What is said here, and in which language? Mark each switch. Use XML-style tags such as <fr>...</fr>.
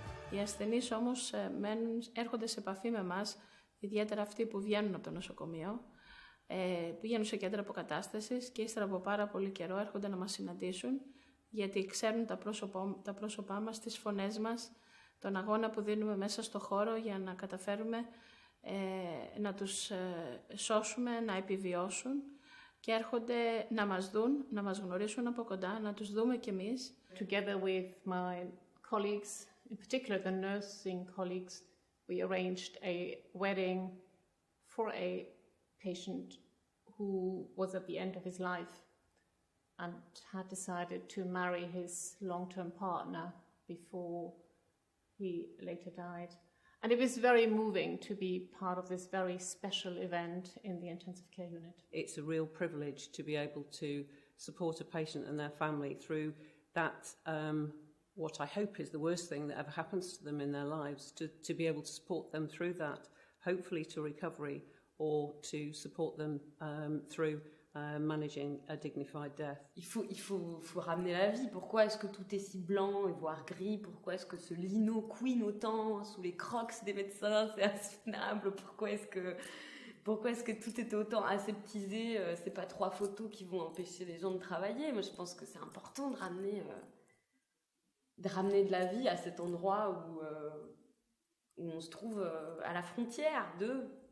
<el>Οι ασθενείς όμως έρχονται σε επαφή με εμάς, ιδιαίτερα αυτοί που βγαίνουν από το νοσοκομείο, πηγαίνουν σε κέντρα αποκατάστασης και ύστερα από πάρα πολύ καιρό έρχονται να μας συναντήσουν, γιατί ξέρουν τα πρόσωπά μας, τις φωνές μας, τον αγώνα που δίνουμε μέσα στο χώρο για να καταφέρουμε να τους σώσουμε, να επιβιώσουν και έρχονται να μας δουν, να μας γνωρίσουν από κοντά, να τους δούμε κι εμείς.</el> <en>Together with my colleagues, in particular the nursing colleagues, we arranged a wedding for a patient who was at the end of his life and had decided to marry his long-term partner before he later died. And it was very moving to be part of this very special event in the intensive care unit. It's a real privilege to be able to support a patient and their family through that, what I hope is the worst thing that ever happens to them in their lives, to be able to support them through that, hopefully to recovery, or to support them through managing a dignified death.</en> <fr>Il faut ramener la vie. Pourquoi est-ce que tout est si blanc et voire gris? Pourquoi est-ce que ce lino couine autant sous les crocs des médecins? C'est insoutenable. Pourquoi est-ce que tout est autant aseptisé? C'est pas trois photos qui vont empêcher les gens de travailler. Moi, je pense que c'est important de ramener de la vie à cet endroit où où on se trouve à la frontière de.</fr>